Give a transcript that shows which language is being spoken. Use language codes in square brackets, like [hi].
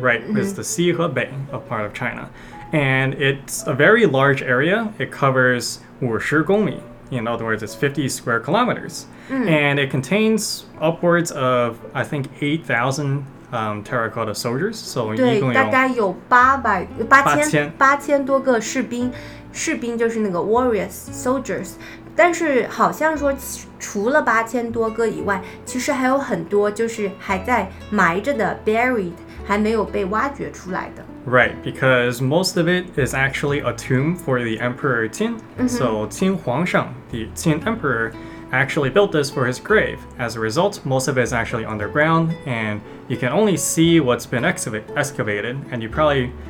[en] right, is the xi he bei of part of China. And it's a very large area. It covers 50 gongmi. In other words, it's 50 square kilometers. And it contains upwards of, I think, 8,000Terra Cotta soldiers. So, [zh] 对，大概有八千多个士兵。士兵就是那个 [en] warriors, soldiers. [zh] 但是好像说除了八千多个以外其实还有很多就是还在埋着的 buried 还没有被挖掘出来的 [en] Right, because most of it is actually a tomb for the Emperor Qin、So Qin Huangshang, the Qin Emperor, actually built this for his grave As a result, most of it is actually underground And you can only see what's been excavated And you probably...